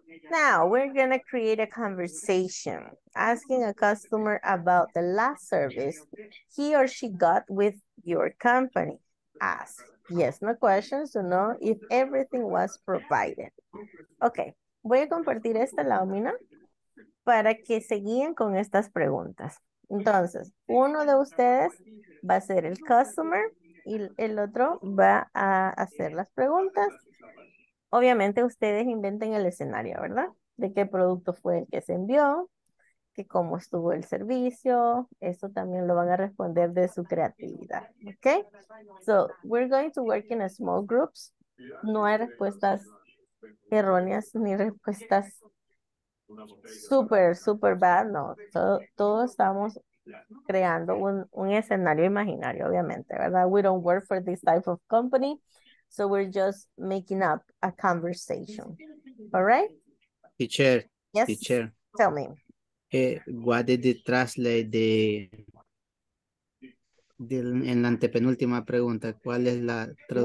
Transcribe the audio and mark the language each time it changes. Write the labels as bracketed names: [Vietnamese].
[English] Now we're gonna create a conversation asking a customer about the last service he or she got with your company. Ask yes, no questions to know if everything was provided. Okay. [Spanish] Voy a compartir esta lámina para que se guíen con estas preguntas. Entonces, uno de ustedes va a ser el customer y el otro va a hacer las preguntas. Obviamente, ustedes inventen el escenario, ¿verdad? De qué producto fue el que se envió, que cómo estuvo el servicio. Eso también lo van a responder de su creatividad. ¿Ok? [English] So, we're going to work in a small groups. [Spanish] No hay respuestas erróneas ni respuestas [English] super bad, [Spanish] no, todos estamos creando un escenario imaginario, obviamente, ¿verdad? [English] We don't work for this type of company, so we're just making up a conversation, all right? Teacher, yes, teacher, tell me, what did it translate the [Spanish] en la antepenúltima pregunta, ¿cuál es la traducción?